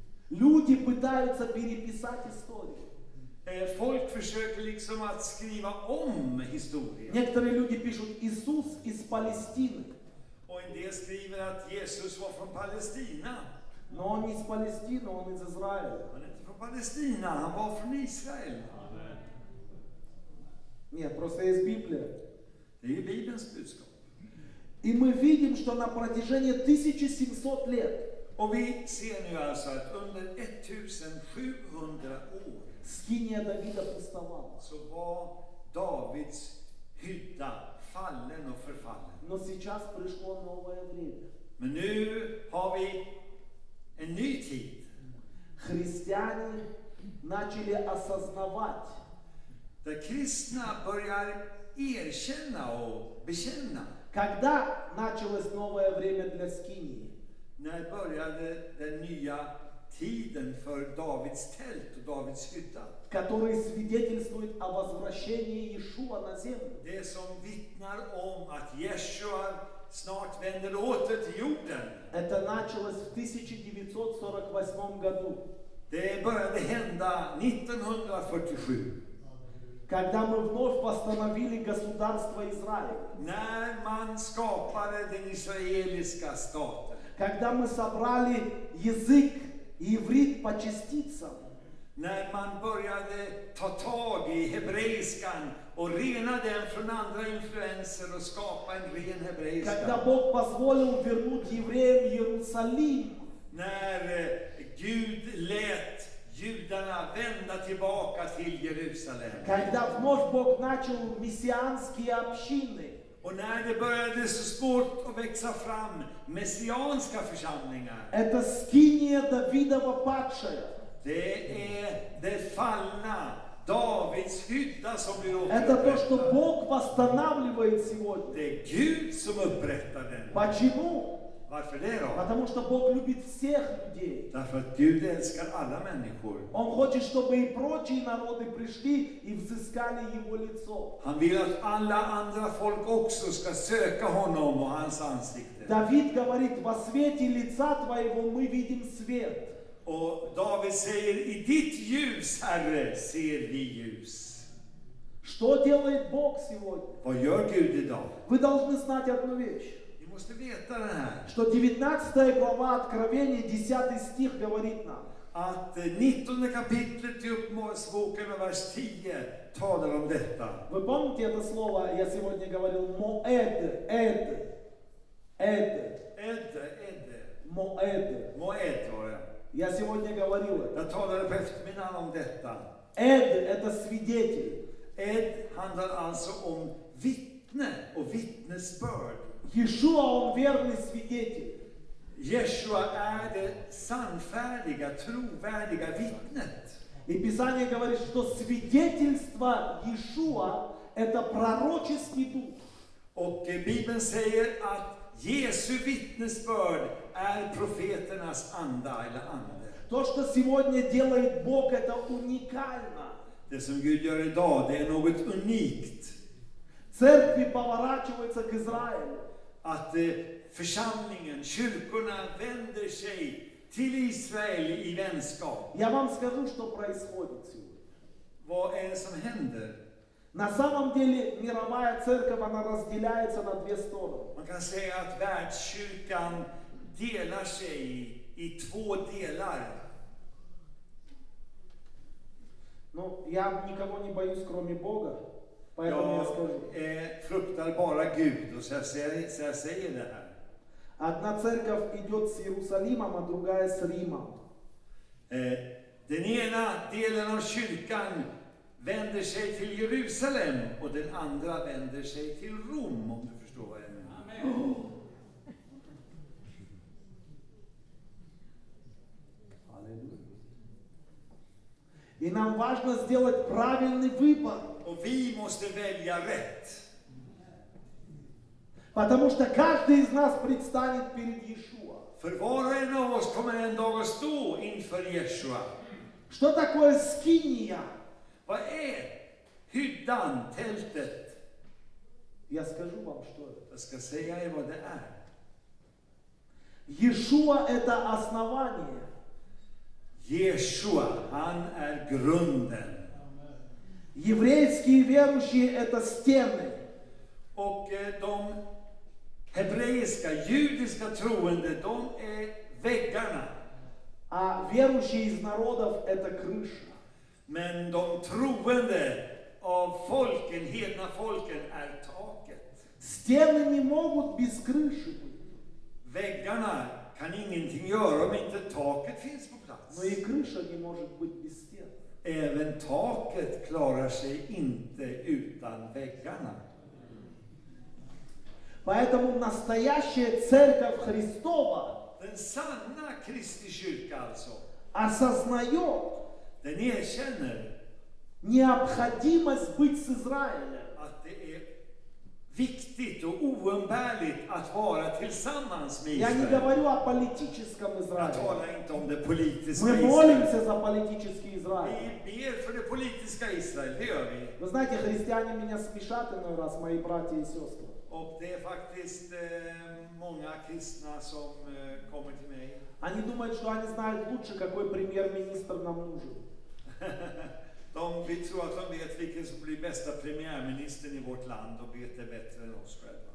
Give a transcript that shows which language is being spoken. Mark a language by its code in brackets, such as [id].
[ru] Люди пытаются переписать историю. [sv] Folk försöker liksom att skriva om historien. [ru] Некоторые люди пишут: Иисус из Палестины. [sv] Och en del skriver att Jesus var från Palestina. [ru] Но он из Палестины, он из Израиля. [sv] Han är inte från Palestina, han var från Israel. [ru] Amen. Нет, просто есть Библия. [sv] Det är Bibelns budskap. [ru] И мы видим, что на протяжении 1700 лет. [sv] Och vi ser nu alltså att under 1700 år. [ru] Скиния Давида пустовала. [sv] Så var Davids hydda fallen och förfallen. [ru] Но сейчас пришло новое время. [sv] Men nu har vi en ny tid. [ru] Христиане начали осознавать. [sv] Да кристна börjar erkänna och bekänna. [ru] Когда началось новое время для скинии? [sv] När började den nya tiden för Davids tält och Davids hytta? [ru] Который свидетельствует о возвращении Иешуа на землю. [sv] Det som vittnar om att Yeshua snart vänder åter till jorden. [ru] Это началось в 1948 году. [sv] Det började hända 1947. [ru] Когда мы вновь восстановили государство Израиль. [sv] När man skapade den israeliska staten. [ru] Когда мы собрали язык и иврит по частицам. [sv] När man började ta tag i hebreiskan och rena den från andra influenser och skapa en ren hebreiska. [ru] Когда Бог позволил вернуть евреям Иерусалим. [sv] När Gud lät judarna vända tillbaka till Jerusalem. [ru] Когда вновь Бог начал мессианские общины. [sv] Och när det började så svårt att växa fram messianska församlingar. [ru] Это скиния Давидова падшая. [sv] Det är det fallna Davids hydda som blir upprättad. [ru] Это то, что Бог восстанавливает сегодня. [sv] Det är Gud som upprättar den. [ru] Почему? [sv] Varför det då? [ru] Потому что Бог любит всех людей. [sv] Därför att Gud älskar alla människor. [ru] Он хочет, чтобы и прочие народы пришли и взыскали его лицо. [sv] Han vill att alla andra folk också ska söka honom och hans ansikte. [ru] Давид говорит: «Во свете лица твоего мы видим свет». [sv] Och David säger: «I ditt ljus, Herre, ser vi ljus». [ru] Что делает Бог сегодня? [sv] Vad gör Gud idag? [ru] Вы должны знать одну вещь. [sv] Måste veta det här. [ru] Что 19 глава Откровения, 10 стих говорит нам. [sv] Att 19 kapitlet i Uppenbarelseboken och vers 10 talar om detta. [ru] Вы помните это слово, я сегодня говорил, Моэд, Эд, Эд. Эд, Эд. Моэд. [sv] Моэд var det. [ru] Я сегодня говорил это. [sv] Jag talade på eftermiddagen om detta. [ru] Эд, это свидетель. [sv] Эд handlar alltså om vittne och vittnesbörd. [ru] Иешуа, он верный свидетель. [sv] Иешуа är det sannfärdiga, trovärdiga vittnet. [ru] И Писание говорит, что свидетельство Иешуа – это пророческий дух. [sv] Och Bibeln säger att Jesu vittnesbörd är profeternas anda eller ande. [ru] То, что сегодня делает Бог, это уникально. [sv] Det som Gud gör idag, det är något unikt. [ru] Церкви поворачиваются к Израилю. [sv] Att församlingen, kyrkorna vänder sig till Israel i vänskap. Jag [ru] вам скажу, что происходит сегодня. [sv] Vad är det som händer? [ru] На самом деле мировая церковь, она разделяется на две стороны. [sv] Man kan säga att världskyrkan delar sig i två delar. [ru] Ну, я никого не боюсь, кроме Бога. Поэтому я скажу. Фруктал бара Гуд, то сейчас сей да. Одна церковь идет с Иерусалимом, а другая с Римом. [sv] Den ena delen av kyrkan vänder sig till Jerusalem och den andra vänder sig till Rom, om du förstår vad jag menar. Amen. [ru] И нам важно сделать правильный выбор. [sv] Och vi måste välja rätt. [ru] Потому что каждый из нас предстанет перед Иешуа. [sv] För var och en av oss kommer en dag att stå inför Иешуа. [ru] Что такое скиния? [sv] Vad är hyddan, tältet? [ru] Я скажу вам, что это. [sv] Jag ska säga er vad det är. [ru] Иешуа – это основание. [sv] Иешуа, han är grunden. [ru] Еврейские верующие – это стены. [sv] Och de hebreiska, judiska troende, de är väggarna. [ru] А верующие из народов – это крыша. [sv] Men de troende av folken, hedna folken, är taket. [ru] Стены не могут без крыши. [sv] Väggarna kan ingenting göra om inte taket finns på plats. [ru] Но и крыша не может быть без стен. [sv] Även taket klarar sig inte utan väggarna. [ru] Поэтому настоящая церковь Христова, [sv] den sanna Kristi kyrka alltså, [ru] осознает, [sv] den erkänner, [ru] необходимость быть с Израилем, [sv] att det är viktigt och oumbärligt att vara tillsammans med Israel. [ru] Я не говорю о политическом Израиле. [sv] Jag talar inte om det politiska [ru] Israel. Мы молимся за политический Израиль. [sv] Vi ber för det politiska Israel, det gör vi. [ru] Вы знаете, христиане меня смешат иной раз, мои братья и сестры. [sv] Och det är faktiskt många kristna som kommer till mig. [ru] Они думают, что они знают лучше, какой премьер-министр нам нужен. [sv] De tror att de vet vilken som blir bästa premiärministern i vårt land och vet det bättre än oss själva.